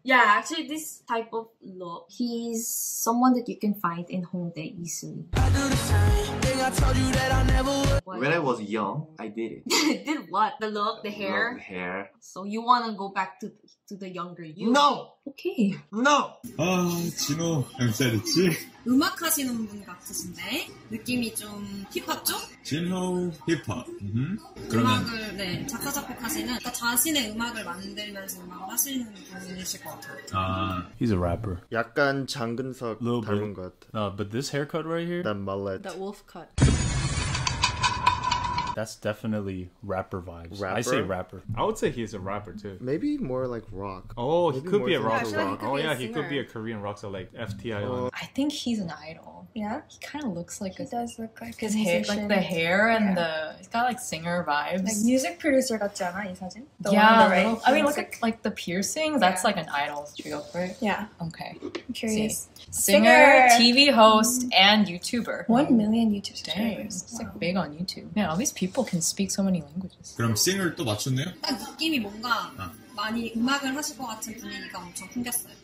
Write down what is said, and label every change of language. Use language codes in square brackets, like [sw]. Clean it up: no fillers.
[en] Yeah, actually this type of look. He's someone that you can find in Hongdae easily. When I was young, I did it. Did what? The look? The hair? The hair. So you wanna go back to the younger you? No! Okay. No! Ah, Jinho, I'm sad to see. [ko] 음악 하시는 분 같으신데 느낌이 좀 힙합 쪽? 진호 힙합. 그러면 음악을 네 작사 작곡 하시는 그러니까 자신의 음악을 만들면서 음악을 하시는 분이실 것 같아요. 아, [en] he's a rapper. [ko] 약간 장근석 닮은 것 같아. [en] But this haircut right here. That mullet. That wolf cut. That's definitely rapper vibes. Rapper? I say rapper. I would say he's a rapper too. Maybe more like rock. Oh, maybe he could be a rock. Yeah, rock. oh yeah, singer. He could be a Korean rock star like FTIO. I think he's an idol. Yeah? He kind of looks like he a... He does look like his hair, like the hair and yeah. the... He's got like singer vibes. Like music producer [ko] 같지 않아, 이 사진? [en] The yeah, one on the right. I mean, look at like the piercing. Yeah. That's like an idol trio, right? Yeah. Okay. I'm curious. Singer, TV host, and YouTuber. 1 million YouTube subscribers. It's like big on YouTube. Yeah, all these people can speak so many languages. [ko] 그럼 singer 또 맞췄네요? 딱 느낌이 뭔가 많이 음악을 하실 것 같은 분위기가 엄청 풍겼어요.